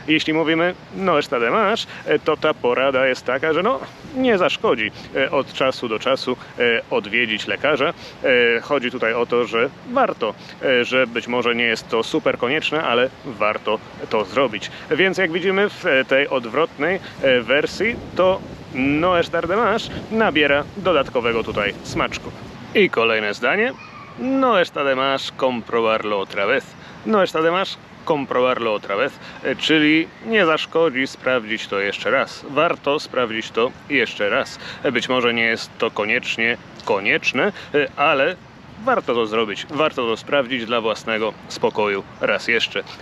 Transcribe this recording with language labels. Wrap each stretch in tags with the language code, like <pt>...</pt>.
<pl>Jeśli mówimy</pl> <es>no está de más,</es> <pl>to ta porada jest taka, że no nie zaszkodzi od czasu do czasu odwiedzić lekarza. Chodzi tutaj o to, że warto, że być może nie jest to super konieczne, ale warto to zrobić. Więc jak widzimy w tej odwrotnej wersji, to</pl> <es>no está de más</es> <pl>nabiera dodatkowego tutaj smaczku. I kolejne zdanie.</pl> <es>No está de más comprobarlo otra vez. No está de más comprobarlo otra vez,</es> <pl>czyli nie zaszkodzi sprawdzić to jeszcze raz. Warto sprawdzić to jeszcze raz. Być może nie jest to koniecznie konieczne, ale warto to zrobić, warto to sprawdzić dla własnego spokoju raz jeszcze.</pl>